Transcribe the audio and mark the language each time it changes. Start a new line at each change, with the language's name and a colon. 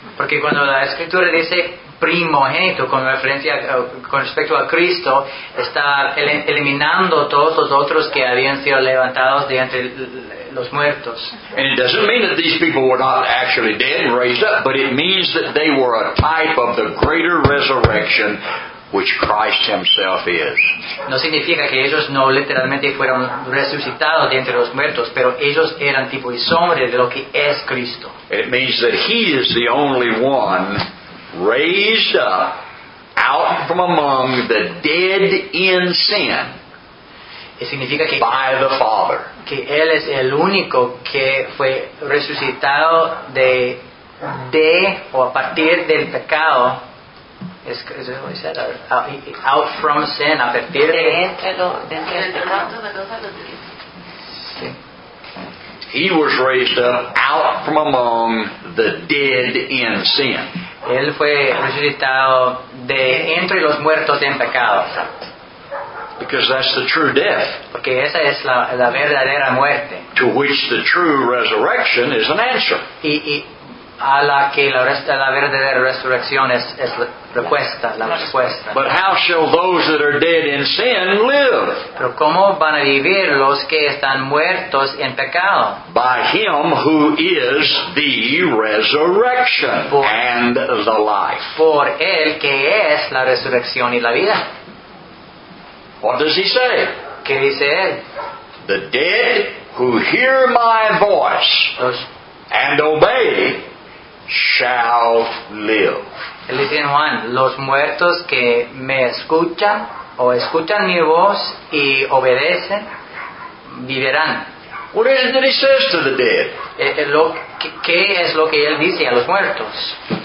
Spanish: Porque cuando la escritura dice primogénito con referencia con respecto a Cristo, está eliminando todos los otros que habían sido levantados de entre los muertos.
English: And it doesn't mean that these people were not actually dead and raised up, but it means that they were a type of the greater resurrection which Christ Himself is.
Spanish: No significa que ellos no literalmente fueron resucitados de entre los muertos, pero ellos eran tipo y sombra de lo que es Cristo.
English: It means that He is the only one raised up out from among the dead in sin.
Spanish: Significa que
English: by the Father.
Spanish: Que él es el único que fue resucitado de o a partir del pecado.
English: Is it what he said? Out from sin,
Spanish: a partir de entre los
English: pecados. He was raised up out from among the dead in sin.
Spanish: Él fue resucitado de entre los muertos en pecado.
English: Because that's the true death.
Spanish: Porque esa es la verdadera muerte.
English: To which the true resurrection is an answer.
Spanish: Y a la que la verdadera resurrección es la respuesta, la respuesta.
English: But how shall those that are dead in sin live?
Spanish: Pero cómo van a vivir los que están muertos en pecado?
English: By Him who is the resurrection and the life.
Spanish: Por Él que es la resurrección y la vida.
English: What does He say?
Spanish: ¿Qué dice Él?
English: The dead who hear My voice and obey shall live.
Spanish: Él dice en Juan, los muertos que me escuchan o escuchan mi voz y obedecen, vivirán.
English: What is it that He says to the dead?
Spanish: ¿Qué es lo que Él dice a los muertos?